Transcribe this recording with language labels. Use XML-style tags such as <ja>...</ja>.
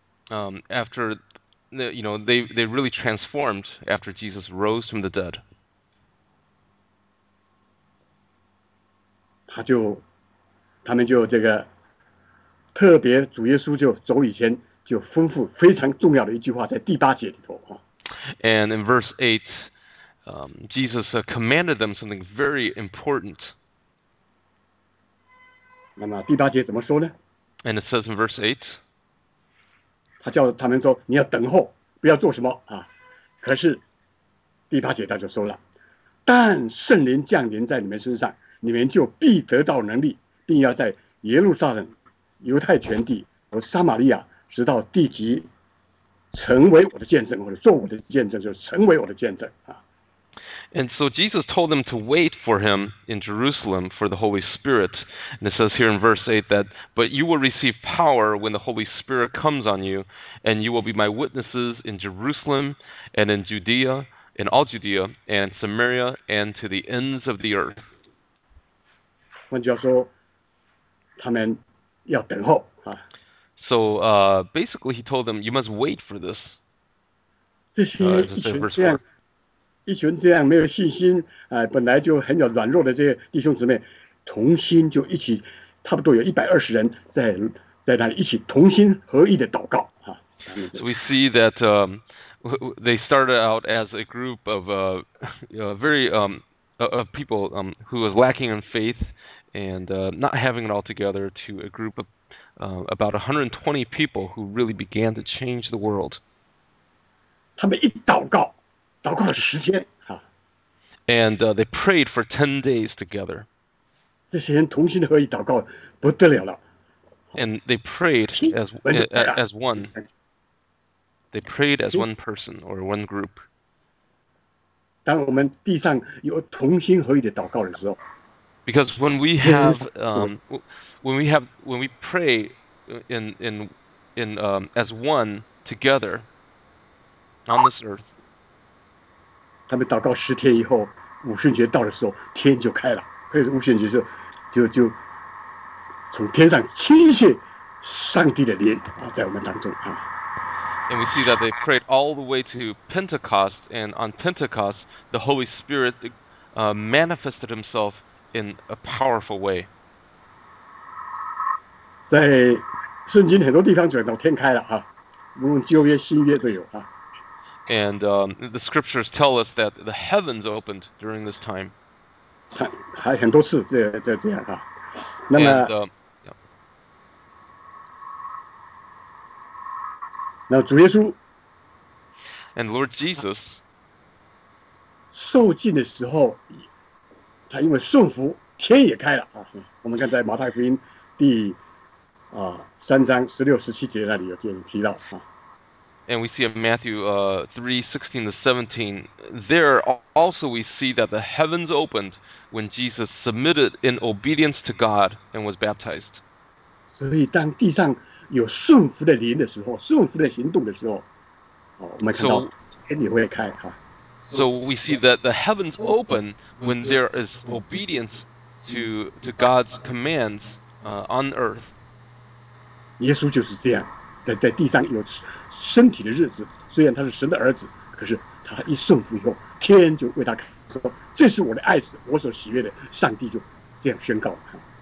<en>After, you know, they really transformed after Jesus rose from the dead.</en> <zh>他们就这个特别主耶稣就走以前就吩咐非常重要的一句话在第八节里头啊。</zh> <en>And in verse 8, Jesus commanded them something very important.</en> <zh>那么第八节怎么说呢？</zh> <en>And it says in verse 8,</en> <zh>他叫他们说你要等候，不要做什么啊。可是第八节他就说了，但圣灵降临在你们身上，你们就必得到能力，并要在耶路撒冷、犹太全地和撒玛利亚直到地极，成为我的见证，或者做我的见证，就是成为我的见证啊。</zh> <en>And so Jesus told them to wait for him in Jerusalem for the Holy Spirit. And it says here in verse 8 that, but you will receive power when the Holy Spirit comes on you, and you will be my witnesses in Jerusalem and in Judea, in all Judea and Samaria and to the ends of the earth.</en> <zh>换句话说，他们要等候啊。</zh> <en>So basically he told them, you must wait for this.</en> <zh>这是一群这样。一群这样没有信心、本来就很有软弱的这些弟兄姊妹同心就一起差不多有120人 在那里一起同心合意的祷告、啊、</zh> <en>So we see that they started out as a group of people who was lacking in faith and not having it all together to a group of about 120 people who really began to change the world</en> <zh>他们一祷告祷告了十天、啊、</zh> <en>And they prayed for 10 days together.</en> <zh>这些人同心合意祷告不得了了。</zh> <en>And they prayed as one. They prayed as one person or one group.</en> <zh>当我们地上有同心合意的祷告的时候</zh> <en>Because when we have, when we pray as one together on this earth,</en> <zh>他们祷告十天以后，五旬节到的时候，天就开了。可是五旬节就从天上倾泻上帝的灵啊，在我们当中啊。</zh> <en>And we see that they prayed all the way to Pentecost, and on Pentecost, the Holy Spirit manifested Himself in a powerful way.</en> <zh>在圣经很多地方讲到天开了啊，无论旧约、新约都有啊。</zh> <en>And the scriptures tell us that the heavens opened during this time.</en> <zh>还很多次这样啊。那么</zh> <en>and,、</en> <zh>那主耶稣</zh> <en>and Lord Jesus</en> <zh>受浸的时候，他因为顺服，天也开了啊。我们看在马太福音第三章十六十七节那里有提到啊。</zh> <en>And we see in Matthew 3:16-17, there also we see that the heavens opened when Jesus submitted in obedience to God and was baptized.</en> <zh>所以当地上有顺服的灵的时候，顺服的行动的时候，我们看到天也会开哈。</zh> <en>So we see that the heavens open when there is obedience to God's commands on earth.</en> <zh>耶稣就是这样，在地上有。身体的日子，虽然他是神的儿子，可是他一顺服以后，天就为他开，说这是我的爱子，我所喜悦的，上帝就这样宣告了他。</zh>